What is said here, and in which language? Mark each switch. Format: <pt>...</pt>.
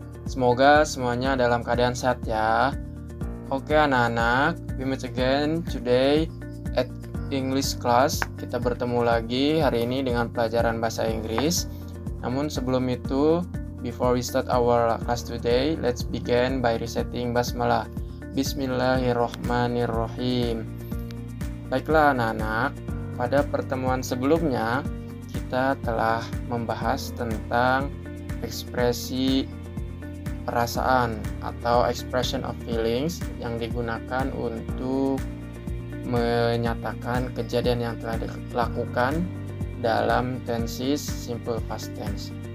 <id>Semoga semuanya dalam keadaan sehat ya. Oke anak-anak,</id> <en>we meet again today at English class.</en> <id>Kita bertemu lagi hari ini dengan pelajaran bahasa Inggris. Namun sebelum itu,</id> <en>before we start our class today, let's begin by reciting basmalah.</en> <id>Bismillahirrahmanirrahim. Baiklah anak-anak, pada pertemuan sebelumnya kita telah membahas tentang ekspresi perasaan atau expression of feelings yang digunakan untuk menyatakan kejadian yang telah dilakukan dalam tenses simple past tense.</id>